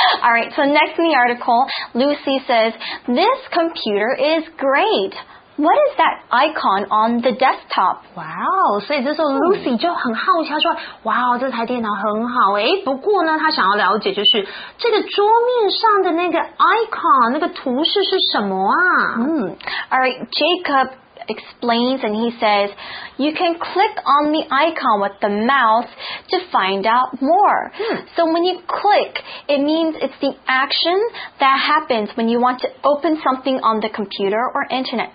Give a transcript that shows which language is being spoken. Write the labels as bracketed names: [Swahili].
[English] All right, so next in the article, Lucy says, this computer is great. What is that icon on the desktop? [Chinese] Wow, 所以这时候 Lucy 就很好奇，她说，哇，这台电脑很好诶，不过呢，她想要了解就是这个桌面上的那个 icon, 那个图示是什么啊？ [English] All right, Jacob,explains and he says, you can click on the icon with the mouse to find out more. So when you click, it means it's the action that happens when you want to open something on the computer or internet.